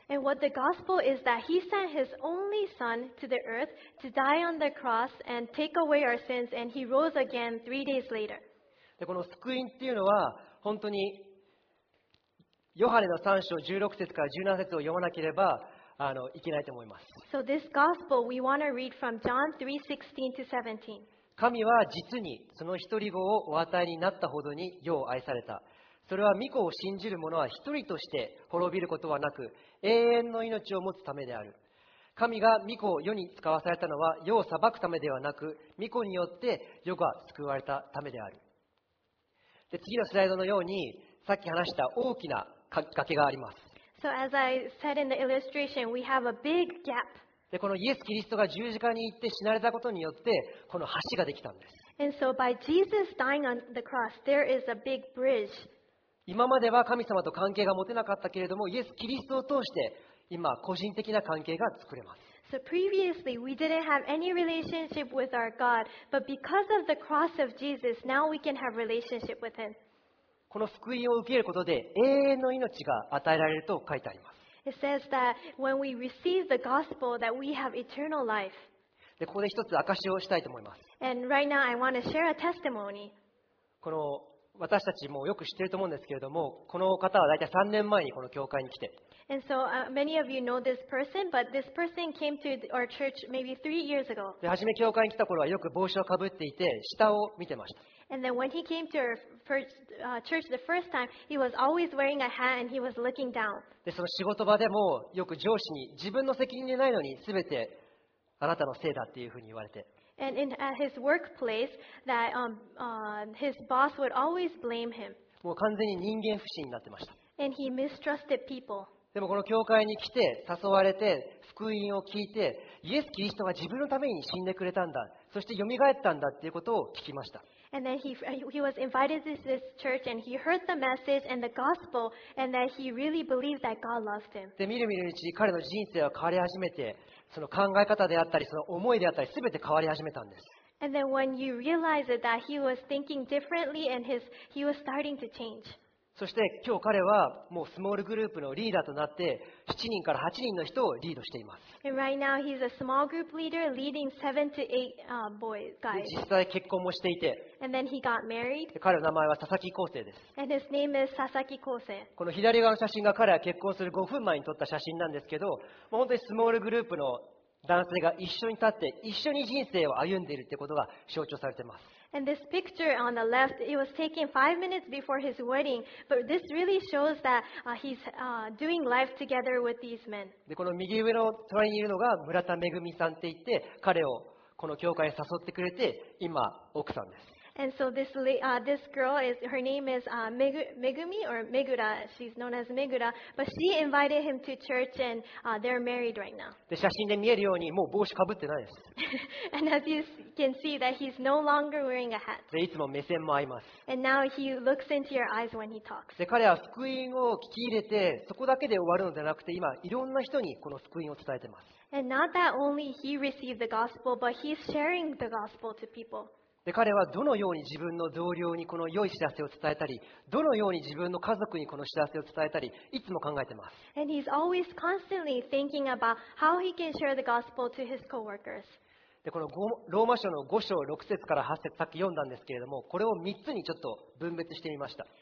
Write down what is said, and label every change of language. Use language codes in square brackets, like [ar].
[en] And what the gospel is that he sent his only son to the earth to die on the cross and take away our sins and he rose again three days later. [ja] でこの救いっていうのは本当にヨハネの3章16節から17節を読まなければいけないと思います。 [en] So this gospel we want to read from John 3:16 to 17. [ja] 神は実にその一人子をお与えになったほどによう愛された。それは御子を信じる者は一人として滅びることはなく、永遠の命を持つためである。神が御子を世に使わされたのは、世を裁くためではなく、御子によって世が救われたためである。で、次のスライドのように、さっき話した大きな崖があります。 [en] So as I said in the illustration, we have a big gap. [ja] で、このイエス・キリストが十字架に行って死なれたことによって、この橋ができたんです。 [en] And so by Jesus dying on the cross, there is a big bridge. [ja] 今までは神様と関係が持てなかったけれども、イエス・キリストを通して、今、個人的な関係が作れます。 [en] So previously, we didn't have any relationship with our God, but because of the cross of Jesus, now we can have relationship with Him. [ja] この福音を受けることで永遠の命が与えられると書いてあります。 [en] It says that when we receive the gospel, that we have eternal life. [ja] で、ここで一つ証をしたいと思います。 [en] And right now, I want to share a testimony. [ja] この私たちもよく知っていると思うんですけれども、この方は大体3年前にこの教会に来て。 [en] And so many of you know this person, but this person came to our church maybe three years ago. [ja] で、初め教会に来た頃はよく帽子をかぶっていて、下を見てました。 [en] And then when he came to our church the first time, he was always wearing a hat and he was looking down. [ja] で、その仕事場でもよく上司に自分の責任でないのに全てあなたのせいだっていうふうに言われて。 [en] And in at his workplace, that his boss would always blame him. [ja] もう完全に人間不信になってました。 [en] And he mistrusted people. [ja] でもこの教会に来て誘われて福音を聞いてイエス・キリストが自分のために死んでくれたんだ、そして蘇ったんだっていうことを聞きました。 [en] And then he was invited to this church and he heard the message and the gospel and that he really believed that God loved him. [ja] で、みるみるうちに彼の人生は変わり始めて、その考え方であったり、その思いであったり、すべて変わり始めたんです。 [en] And then when you realize that he was thinking differently and he was starting to change. [ja] そして今日彼はもうスモールグループのリーダーとなって、7人から8人の人をリードしています。 [en] And right now he's a small group leader leading 7 to 8 boys, guys. [ja] 実際結婚もしていて、 [en] And then he got married. [ja] 彼の名前は佐々木光生です。 [en] And his name is Sasaki Kose. [ja] この左側の写真が彼は結婚する5分前に撮った写真なんですけど、もう本当にスモールグループの男性が一緒に立って一緒に人生を歩んでいるってことが象徴されています。 [en] And this picture on the left, it was taken 5 minutes before his wedding, but this really shows that he's doing life together with these men. [ja] で、この右上の隣にいるのが村田めぐみさんって言って、彼をこの教会に誘ってくれて、今奥さんです。 [en] And so this girl is her name is Megumi or Megura. She's known as Megura, but she invited him to church and they're married right now. [ja] で、写真で見えるようにもう帽子かぶってないです。 [en] And as you can see that he's no longer wearing a hat. [ja] で、いつも目線も合います。 [en] And now he looks into your eyes when he talks. [ja] で、彼は福音を聞き入れてそこだけで終わるのではなくて、今いろんな人にこの福音を伝えてます。 [en] And not that only he received the gospel, but he's sharing the gospel to people. [ja] で、彼はどのように自分の同僚にこの良い知らせを伝えたり、どのように自分の家族にこの知らせを伝えたり、いつも考えてます。 [en] And he's always constantly thinking about how he can share the gospel to his coworkers. [ja] でこのローマ書の5章6節から8節さっき読んだんですけれども、これを3つにちょっと分別してみました。